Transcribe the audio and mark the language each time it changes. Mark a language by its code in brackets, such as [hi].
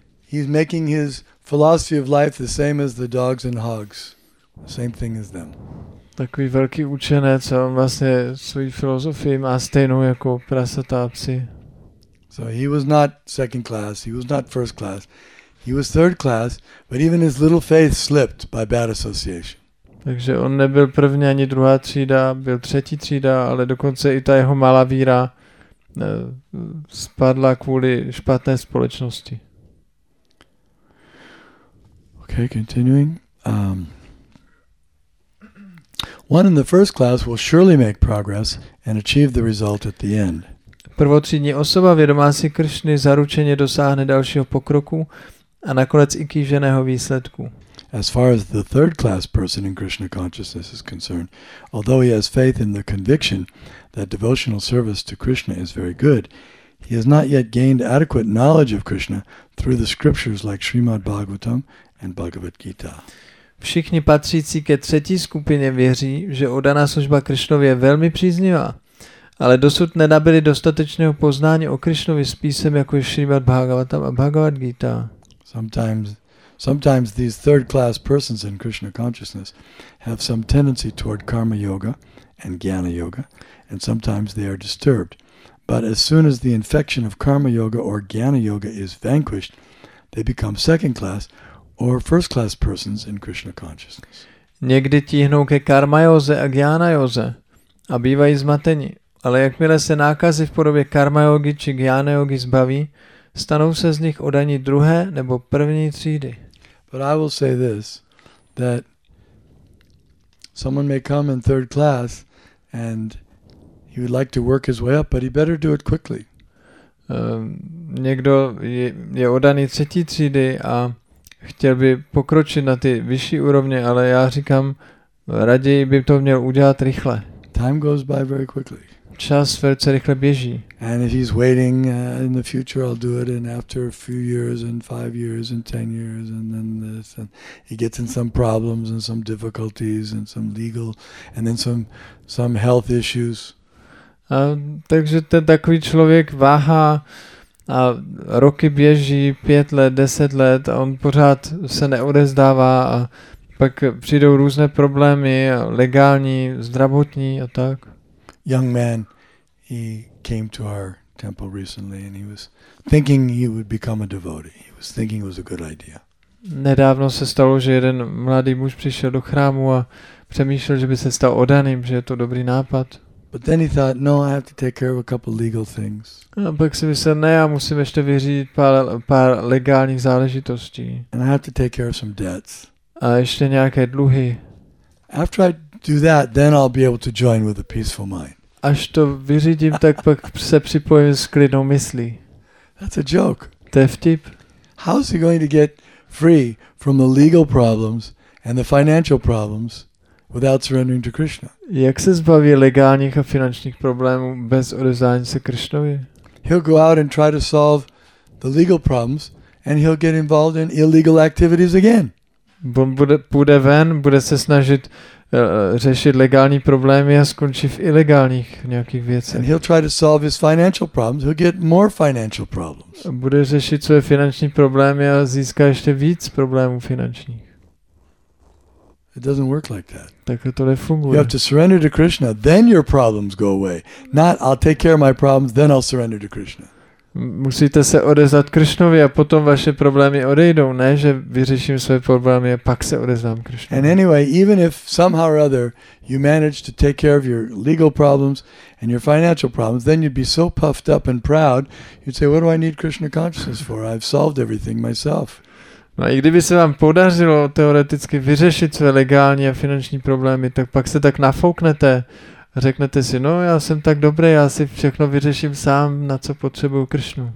[en] He's making his philosophy of life the same as the dogs and hogs. Same thing as them. [cs] Takový velký učenec a on vlastně svou filozofii má stejnou jako prasata a psi. [en] So he was not second class, he was not first class, he was third class, but even his little faith slipped by bad association. [cs] Takže on nebyl první ani druhá třída, byl třetí třída, ale dokonce i ta jeho malá víra spadla kvůli špatné společnosti. [en] Okay, continuing. One in the first class will surely make progress and achieve the result at the end. [cs] Prvotřídní osoba vědomá si Kršny zaručeně dosáhne dalšího pokroku a nakonec i kýženého výsledku. [en] As far as the third class person in Krishna consciousness is concerned, although he has faith in the conviction that devotional service to Krishna is very good, he has not yet gained adequate knowledge of Krishna through the scriptures like Srimad Bhagavatam and Bhagavad Gita. [cs] Všichni patřící ke třetí skupině věří, že oddaná služba Krišnovi je velmi příznivá, ale dosud nenabyli dostatečného poznání o Krišnovi s písem jako je Srimad Bhagavatam a Bhagavad Gita. [en] Sometimes these third class persons in Krishna consciousness have some tendency toward karma yoga and jnana yoga, and sometimes they are disturbed. But as soon as the infection of karma yoga or jnana yoga is vanquished, they become second class or first class persons in Krishna consciousness. [cs] Někdy tíhnou ke karma yoze a jnana yoze a bývají zmateni, ale jakmile se nákazy v podobě karma yogi či jnana yogi zbaví, stanou se z nich oddaní druhé nebo první třídy. [en] But I will say this, that someone may come in third class and he would like to work his way up, but he better do it quickly. [cs] Někdo je oddaný třetí třídy a chtěl by pokročit na ty vyšší úrovně, ale já říkám, raději by to měl udělat rychle. [en] Time goes by very quickly. [cs] Čas velice rychle běží. [en] And if he's waiting in the future, I'll do it. And after a few years, and 5 years, and 10 years, and then this, and he gets in some problems and some difficulties and some legal, and then some health issues. [cs] A takže ten takový člověk váhá a roky běží, 5 let, 10 let, a on pořád se neodezdává a pak přijdou různé problémy, legální, zdravotní a tak. [en] Young man, he came to our temple recently and he was thinking he would become a devotee. He was thinking it was a good idea. [cs] Nedávno se stalo, že jeden mladý muž přišel do chrámu a přemýšlel, že by se stal oddaným, že je to dobrý nápad. [en] But then he thought, no, I have to take care of a couple legal things. [cs] A pak si myslel, ne, já musím ještě vyřídit pár legálních záležitostí. [en] And I have to take care of some debts. [cs] A ještě nějaké dluhy. [en] After I do that, then I'll be able to join with a peaceful mind. [cs] Až to vyřídím, tak pak se připojím s klidnou myslí. [en] That's a joke. [cs] To je vtip. [en] How is he going to get free from the legal problems and the financial problems without surrendering to Krishna? [cs] Jak se zbaví legálních a finančních problémů bez odevzdání se Krišnovi? [en] He'll go out and try to solve the legal problems and he'll get involved in illegal activities again. [cs] Bude ven, bude se snažit řešit legální problémy a skončí v ilegálních nějakých věcech. [en] And he'll try to solve his financial problems, he'll get more financial problems. [cs] Bude řešit své finanční problémy a získá ještě víc problémů finančních. [en] It doesn't work like that. [cs] Tak to nefunguje. [en] You have to surrender to Krishna, then your problems go away. Not I'll take care of my problems, then I'll surrender to Krishna. [cs] Musíte se odezvat Krišnovi a potom vaše problémy odejdou, ne, že vyřeším své problémy a pak se odezvám Krišnovi. [en] And anyway, even if somehow or other you manage to take care of your legal problems and your financial problems, then you'd be so puffed up and proud, you'd say, what do I need Krishna consciousness for? I've solved everything myself. [cs] No a i kdyby se vám podařilo teoreticky vyřešit své legální a finanční problémy, tak pak se tak nafouknete. Řeknete si, no já jsem tak dobrý, já si všechno vyřeším sám, na co potřebuju Krišnu.